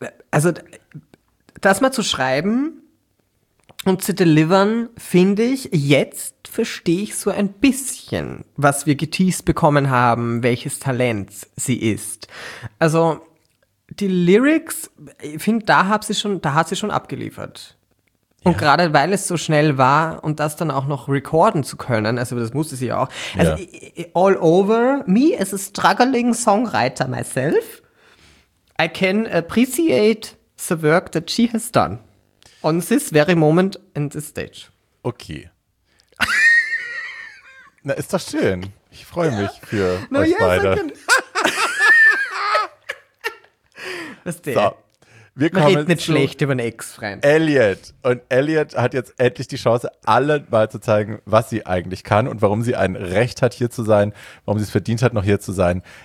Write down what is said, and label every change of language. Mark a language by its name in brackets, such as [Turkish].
[German] Aber das mal zu schreiben und zu delivern, finde ich, jetzt verstehe ich so ein bisschen, was wir geteased bekommen haben, welches Talent sie ist. Also die Lyrics, ich finde, da hat sie schon abgeliefert. Und gerade weil es so schnell war und das dann auch noch recorden zu können, also das musste sie auch. [English] Also all over me as a struggling songwriter myself, I can appreciate the work that she has done on this very moment and this stage. [German] Okay. Na, ist doch schön. Ich freue mich für euch beide. Was denn? So. Wir kommen. Man redet nicht schlecht über einen Ex-Freund. Elliot. Und Elliot hat jetzt endlich die Chance, allen mal zu zeigen, was sie eigentlich kann und warum sie ein Recht hat, hier zu sein, warum sie es verdient hat, noch hier zu sein.